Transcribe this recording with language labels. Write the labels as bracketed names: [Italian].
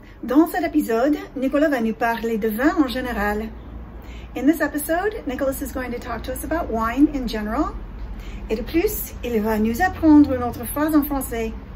[French] Dans cet épisode, Nicolas va nous parler de vin en général. [English] In this episode, Nicolas is going to talk to us about wine in general. [French] Et de plus, il va nous apprendre une autre phrase en français.